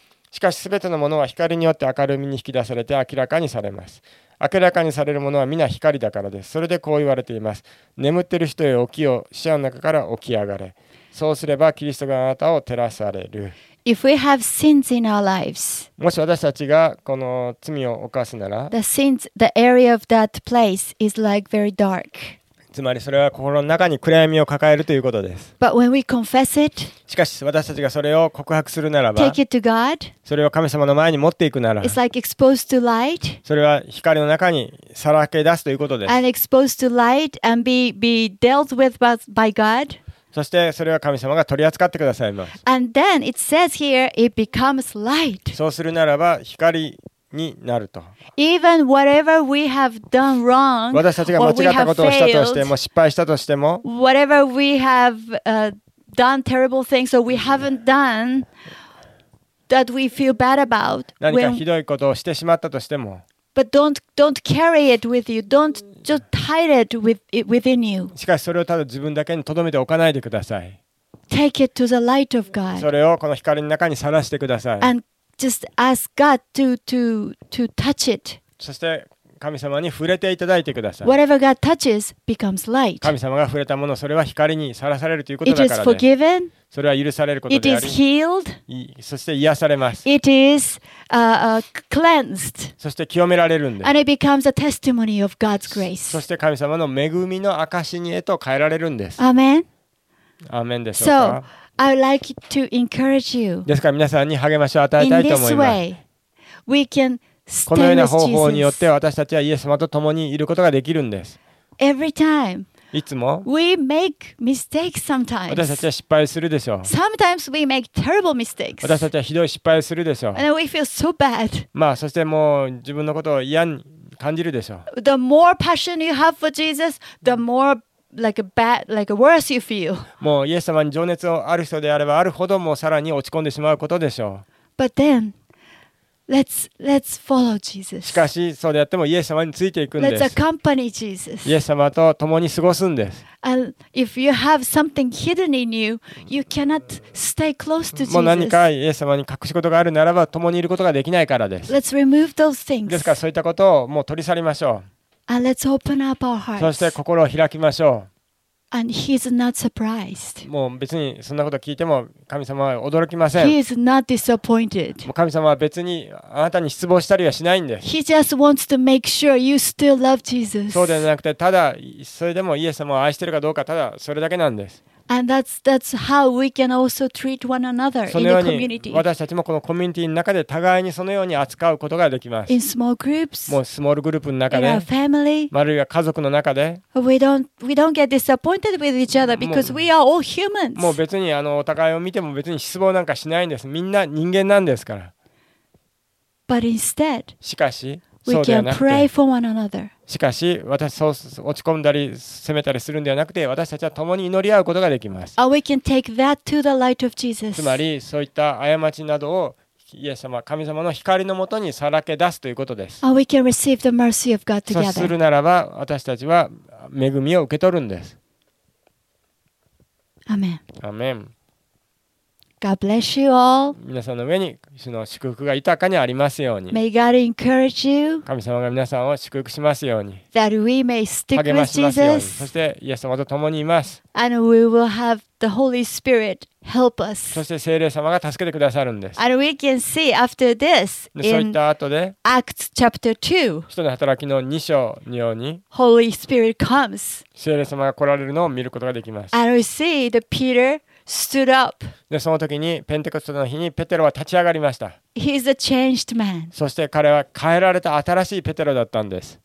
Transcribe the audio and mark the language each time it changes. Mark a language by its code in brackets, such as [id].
[ja] しかしすべてのものは光によって明るみに引き出されて明らかにされます。明らかにされるものは皆光だからです。それでこう言われています。眠っている人へ起きよ、死者の中から起き上がれ。そうすればキリストがあなたを照らされる。 [en] If we have sins in our lives, [ja] もし私たちがこの罪を犯すなら [en] the sins, the area of that place is like very dark. [ja] つまりそれは心の中に暗闇を抱えるということです。 [en] But when we confess it, [ja] しかし私たちがそれを告白するならば [en] take it to God, [ja] それを神様の前に持っていくなら [en] it's like exposed to light, [ja] それは光の中にさらけ出すということです。 [en] And exposed to light and be dealt with by God. [ja] そしてそれは神様が取り扱ってくださいます。 [en] And then it says here, it becomes light. [ja] そうするならば光になると。 [en] Even whatever we have done wrong, [ja] 私たちが間違ったことをしたとしても失敗したとしても [en] whatever we have, done terrible things or we haven't done that we feel bad about, [ja] 何かひどいことをしてしまったとしても、 [en] But don't carry it with you. Don't just hide it within you. [ja] しかしそれをただ自分だけに留めておかないでください。 [en] take it to the light of God. [ja] それをこの光の中にさらしてください。 [en] And just ask God to touch it. [ja] そして神様に触れていただいてください。 [en] Whatever God touches becomes light. [ja] 神様が触れたもの、それは光にさらされるということだからです。 [en] It is forgiven. [ja] それは許されることであり。 [en] It is healed. [ja] そして癒されます。 [en] It is cleansed. [ja] そして清められるんです。 [en] And it becomes a testimony of God's grace. [ja] そして神様の恵みの証にへと変えられるんです。 [en] Amen. [ja] アーメンでしょうか。 [en] So, I'd like to encourage you. [ja] ですから皆さんに励ましを与えたいと思います。 [en] In this way, we can. [ja] このような方法によって私たちはイエス様と共にいることができるんです。 [en] Every time, [ja] いつも [en] we make mistakes sometimes. [ja] 私たちは失敗するでしょう。 [en] Sometimes we make terrible mistakes. [ja] 私たちはひどい失敗するでしょう。 [en] And we feel so bad. [ja] まあ、そしてもう自分のことを嫌に感じるでしょう。 [en] The more passion you have for Jesus, the more like a bad, like a worse you feel. [ja] もうイエス様に情熱をある人であればあるほどもうさらに落ち込んでしまうことでしょう。 [en] But then,Let's follow Jesus. [ja] しかしそうであってもイエス様についていくんです。 [en] Let's accompany Jesus. [ja] イエス様と共に過ごすんです。 [en] And if you have something hidden in you, you cannot stay close to Jesus. [ja] もう何かイエス様に隠し事があるならば共にいることができないからです。 [en] Let's remove those things. [ja] ですからそういったことをもう取り去りましょう。 [en] And let's open up our hearts. [ja] そして心を開きましょう。 [en] And he's not surprised. [ja] もう別にそんなこと聞いても神様は驚きません。 [en] He is not disappointed. [ja] もう神様は別にあなたに失望したりはしないんです。 [en] He just wants to make sure you still love Jesus. [ja] そうではなくて、ただそれでもイエス様を愛しているかどうか、ただそれだけなんです。 [en] And that's how we can also treat one another in the community. [ja] そのように私たちもこのコミュニティの中で互いにそのように扱うことができます。 [en] In small groups, [ja] もうスモールグループの中で、 [en] in our family, [ja] あるいは家族の中で、 [en] we don't get disappointed with each other because we are all humans. [ja] もう別にあのお互いを見ても別に失望なんかしないんです。みんな人間なんですから。 [en] But instead, [ja] しかし、 [en] we can pray for one another. [ja] しかし私そう落ち込んだり責めたりするんではなくて、私たちは共に祈り合うことができます。 [en] We can take that to the light of Jesus. [ja] つまりそういった過ちなどをイエス様、神様の光のもとにさらけ出すということです。 [en] We can receive the mercy of God together. [ja] そうするならば私たちは恵みを受け取るんです。アメン。アメン。 [en] God bless you all. [ja] 皆さんの上に主の祝福が豊かにありますように。 [en] May God encourage you. [ja] 神様が皆さんを祝福しますように。 [en] That we may stick with Jesus. [ja] そしてイエス様と共にいます。 [en] And we will have the Holy Spirit help us. [ja] そして聖霊様が助けてくださるんです。 [en] And we can see after this in Acts chapter 2. [ja] 使徒の働きの2章のように。 [en] Holy Spirit comes. [ja] 聖霊様が来られるのを見ることができます。 [en] And we see the Peter. Stood up. [ja] でその時にペンテコステの日にペテロは立ち上がりました。 [en] He's a changed man. [ja] そして彼は変えられた新しいペテロだったんです。